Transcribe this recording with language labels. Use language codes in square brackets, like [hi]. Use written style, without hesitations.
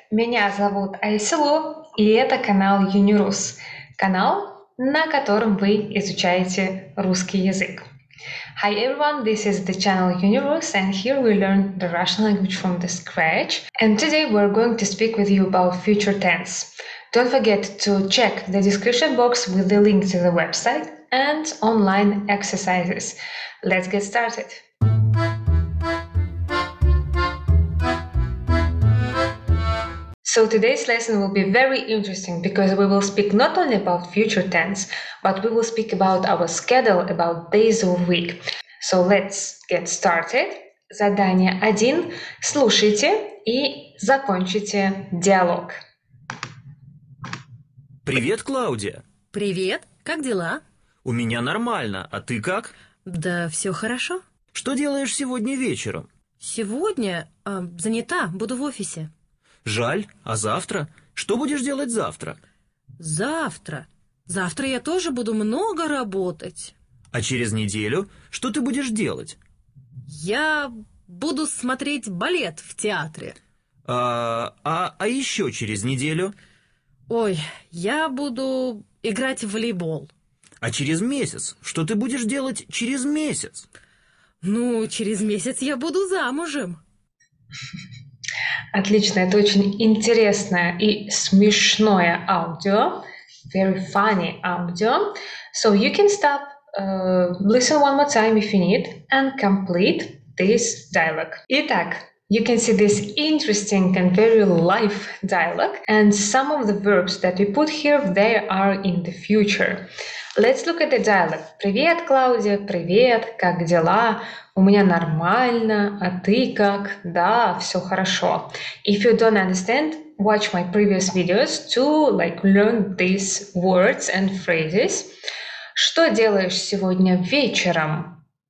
[ru] Меня зовут Айсилу, и это канал Юнирус, канал, на котором вы изучаете русский язык. [en] Hi everyone, this is the channel Юнирус, and here we learn the Russian language from the scratch. And today we're going to speak with you about future tense. Don't forget to check the description box with the link to the website and online exercises. Let's get started! So today's lesson will be very interesting because we will speak not only about future tense, but we will speak about our schedule, about days of week. So let's get started. [ru] Задание 1. Слушайте и закончите диалог. Привет, Клаудия. Привет. Как дела? У меня нормально. А ты как? Да все хорошо. Что делаешь сегодня вечером? Сегодня? Занята. Буду в офисе. Жаль. А завтра? Что будешь делать завтра? Завтра? Завтра я тоже буду много работать. А через неделю? Что ты будешь делать? Я буду смотреть балет в театре. А еще через неделю? Ой, я буду играть в волейбол. А через месяц? Что ты будешь делать через месяц? Ну, через месяц я буду замужем. Отлично, это очень интересное и смешное аудио. [en] Very funny audio. So you can stop, listen one more time if you need, and complete this dialogue. Итак, you can see this interesting and very life dialogue, and some of the verbs that we put here, they are in the future. Let's look at the dialogue. [ru] Привет, Клаудия, привет, как дела? У меня нормально, а ты как? Да, все хорошо. [en] If you don't understand, watch my previous videos to like learn these words and phrases. [ru] Что делаешь сегодня вечером?